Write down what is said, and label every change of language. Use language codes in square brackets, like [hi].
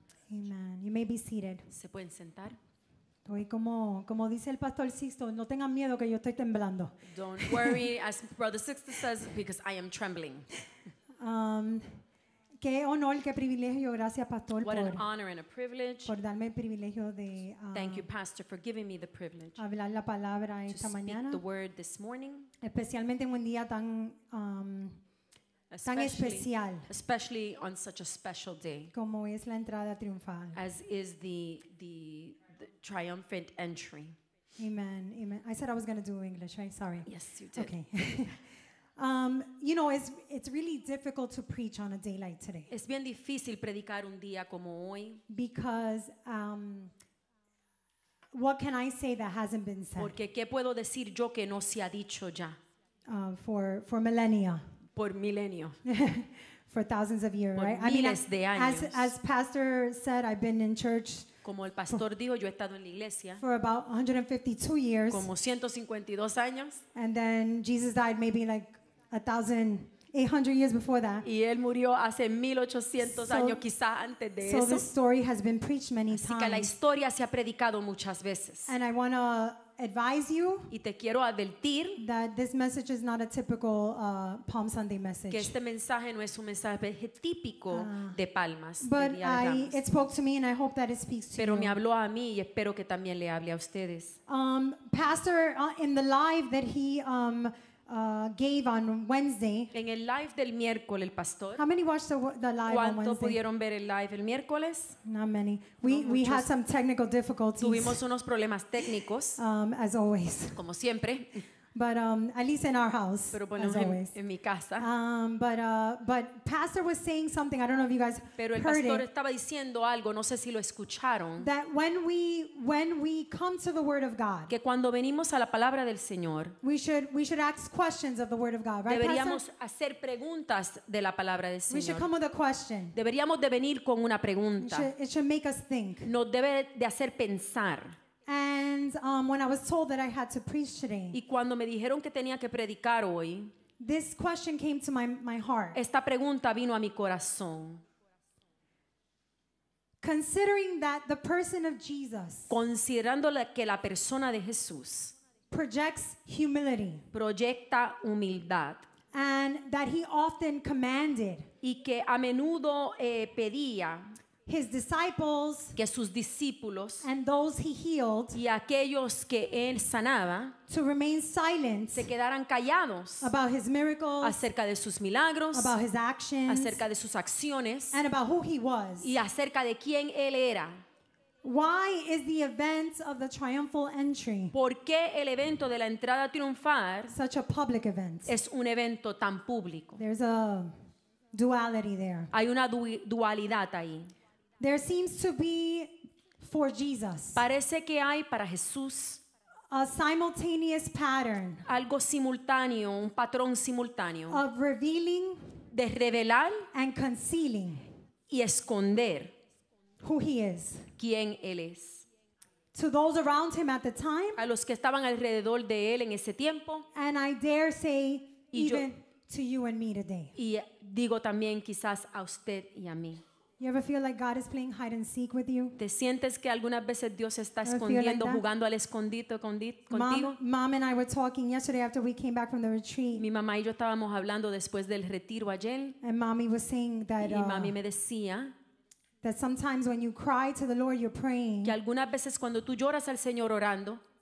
[en] Amen. You may be seated. [es] ¿Se pueden sentar? Hoy, como dice el pastor Sixto, no tengan miedo que yo estoy temblando. [en] Don't worry, as Brother Sixto says, because I am trembling. [es] Qué honor, qué privilegio, gracias pastor. [en] What an honor and a privilege. [es] Por darme el privilegio de. [en] Thank you, pastor, for giving me the privilege. [es] Hablar la palabra [en] to [es] esta [en] speak [es] mañana. [en] The word this morning. [es] Especialmente en un día tan. [en] Especially, [es] tan especial, [en] especially on such a special day, [es] como es la entrada triunfal, [en] as is the triumphant entry. Amen, amen. I said I was going to do English, right? Sorry. Yes, you did. Okay. you know, it's really difficult to preach on a day like today. [es] Es bien difícil predicar un día como hoy. [en] Because what can I say that hasn't been said? [es] Porque qué puedo decir yo que no se ha dicho ya. [en] For millennia. [es] Por milenio. [en] For thousands of years, [es] por [en] right? [es] Miles, I mean, de años. [en] As pastor said, I've been in church [es] Como el pastor dijo, yo he estado en la iglesia [en] for about 152 years. [es] Como 152 años. [en] And then Jesus died maybe like 1,800 years before that. [es] Y él murió hace 1,800 años, quizá antes de eso. [en] So this story has been preached many times. [es] Así que la historia se ha predicado muchas veces. [en] And I want to advise you. [es] Y te quiero advertir [en] that this message is not a typical Palm Sunday message. [es] Que este mensaje no es un mensaje típico de palmas. [en] But it spoke to me, and I hope that it speaks to you. [es] Pero me habló a mí, y espero que también le hable a ustedes. [en] Pastor, in the live that he gave on Wednesday. [es] En el live del miércoles, el pastor. [en] How many watched the live on Wednesday? [es] ¿Cuánto pudieron ver el live el miércoles? [en] Not many. We had some technical difficulties. [es] Tuvimos unos problemas técnicos. [en] As always. [es] Como siempre. [en] But at least in our house. [es] Pero bueno, [en] as always. [es] En mi casa. [en] But pastor was saying something. I don't know if you guys heard it. [es] Pero el pastor estaba diciendo algo. No sé si lo escucharon. [en] That when we come to the word of God. [es] Que cuando venimos a la palabra del Señor. [en] We should ask questions of the word of God, right? [es] Deberíamos hacer preguntas de la palabra del Señor. [en] We should come with a question. [es] Deberíamos de venir con una pregunta. [en] It should make us think. [es] Nos debe de hacer pensar. [en] And when I was told that I had to preach today, [es] y cuando me dijeron que tenía que predicar hoy, [en] this question came to my heart. [es] Esta pregunta vino a mi corazón. [en] Considering that the person of Jesus, [es] considerando que la persona de Jesús, [en] projects humility, [es] proyecta humildad, [en] and that he often commanded, [es] y que a menudo pedía. [en] His disciples, [es] que sus discípulos, [en] and those he healed, [es] y aquellos que él sanaba, [en] to remain silent, [es] se quedaran callados, [en] about his miracles, [es] acerca de sus milagros, [en] about his actions, [es] acerca de sus acciones, [en] and about who he was, [es] y acerca de quién él era. [en] Why is the event of the triumphal entry? [es] ¿Por qué el evento de la entrada triunfal [en] such a public event? [es] Es un evento tan público. [en] There's a duality there. [es] Hay una dualidad ahí. [en] There seems to be for Jesus. [es] Parece que hay para Jesús. [en] A simultaneous pattern. [es] Algo simultáneo, un patrón simultáneo. [en] Of revealing, [es] de revelar, [en] and concealing, [es] y esconder, [en] who he is. [es] Quién él es. [en] To those around him at the time. [es] A los que estaban alrededor de él en ese tiempo. [en] And I dare say, even to you and me today. [es] Y digo también quizás a usted y a mí. [en] You ever feel like God is playing hide and seek with you? [es] ¿Te sientes que algunas veces Dios está escondiendo, jugando al escondite contigo? [en] Mom and I were talking yesterday after we came back from the retreat. [es] Mi mamá y yo estábamos hablando después del retiro ayer. [en] And mommy was saying that. [es] Y mami me decía [en] that sometimes when you cry to the Lord, you're praying. [es] Que algunas veces cuando tú lloras al Señor orando.